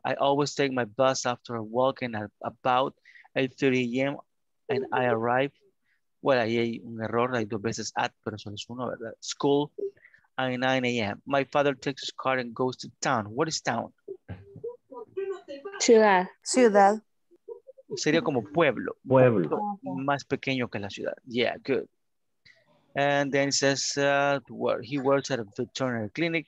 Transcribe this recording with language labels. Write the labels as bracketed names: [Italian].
[English] I always take my bus after a walk and at about 8:30 a.m. and I arrive. [Spanish] Well, ahí hay un error, hay dos veces at, pero solo es uno, ¿verdad? [English] School at 9 a.m. My father takes his car and goes to town. What is town? [Spanish] Ciudad. Sería como pueblo. Pueblo. Más pequeño que la ciudad. [English] Yeah, good. And then it says, he works at a veterinary clinic.